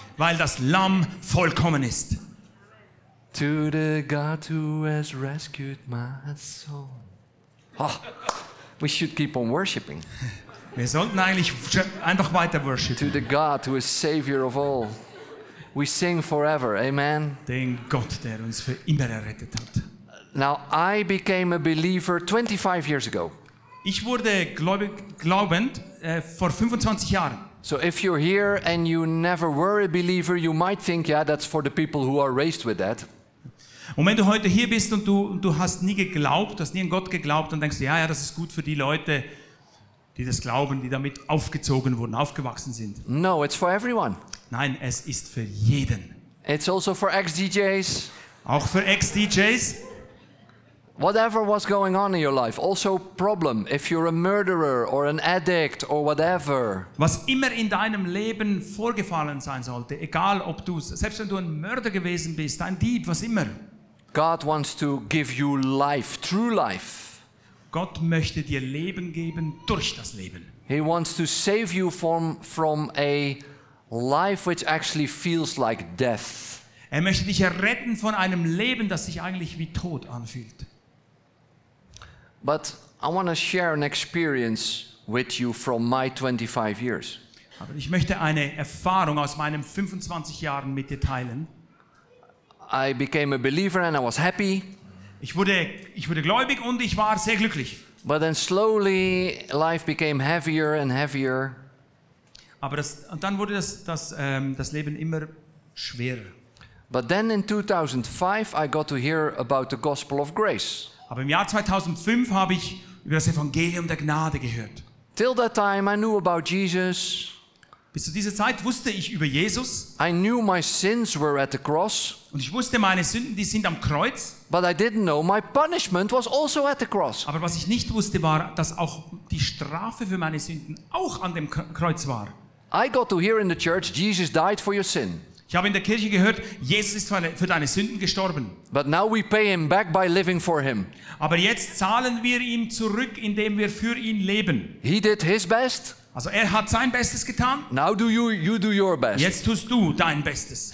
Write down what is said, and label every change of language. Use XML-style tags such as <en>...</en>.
<de>Weil das Lamm vollkommen ist.</de> <en>To the God who has rescued my soul. We should keep on worshiping.</en> <de>Wir sollten eigentlich einfach weiter worshipen.</de> <en>To the God who is Savior of all. We sing forever, amen.</en> <de>Den Gott, der uns für immer errettet hat.</de> <en>Now, I became a believer 25 years ago.</en> <de>Ich wurde glaubend vor 25 Jahren.</de> <en>So if you're here and you never were a believer, you might think, yeah, that's for the people who are raised with that.</en> <de>Und wenn du heute hier bist und du hast nie geglaubt, hast nie an Gott geglaubt, dann denkst du, ja, das ist gut für die Leute, die das glauben, die damit aufgezogen wurden, aufgewachsen sind.</de> <en>No, it's for everyone.</en> <de>Nein, es ist für jeden.</de> <en>It's also for ex-DJs.</en> <de>Auch für ex-DJs.</de> <en>Whatever was going on in your life, also problem, if you're a murderer or an addict or whatever.</en> <de>Was immer in deinem Leben vorgefallen sein sollte, egal ob du, selbst wenn du ein Mörder gewesen bist, ein Dieb, was immer.</de> <en>God wants to give you life, true life.</en> <de>Gott möchte dir Leben geben durch das Leben.</de> <en>He wants to save you from a life which actually feels like death.</en> <de>Er möchte dich erretten von einem Leben, das sich eigentlich wie Tod anfühlt.</de> <en>But I want to share an experience with you from my 25 years.</en> <de>Aber ich möchte eine Erfahrung aus meinen 25 Jahren mit dir teilen.</de> <en>I became a believer and I was happy.</en> <de>Ich wurde gläubig und ich war sehr glücklich.</de> <en>But then slowly life became heavier and heavier.</en> <de>Aber dann wurde das Leben immer schwerer.</de> <en>But then in 2005 I got to hear about the gospel of grace.</en> <de>Aber im Jahr 2005 habe ich über das Evangelium der Gnade gehört.</de> <en>Till that time I knew about Jesus.</en> <de>Bis zu dieser Zeit wusste ich über Jesus.</de> <en>I knew my sins were at the cross.</en> <de>Und ich wusste, meine Sünden, die sind am Kreuz.</de> <en>But I didn't know my punishment was also at the cross.</en> <de>Aber was ich nicht wusste, war, dass auch die Strafe für meine Sünden auch an dem Kreuz war.</de> <en>I got to hear in the church, Jesus died for your sin.</en> <de>Ich habe in der Kirche gehört, Jesus ist für deine Sünden gestorben.</de> <en>But now we pay him back by living for him.</en> <de>Aber jetzt zahlen wir ihm zurück, indem wir für ihn leben.</de> <en>He did his best.</en> <de>Also er hat sein Bestes getan.</de> <en>Now you do your best.</en> <de>Jetzt tust du dein Bestes.</de>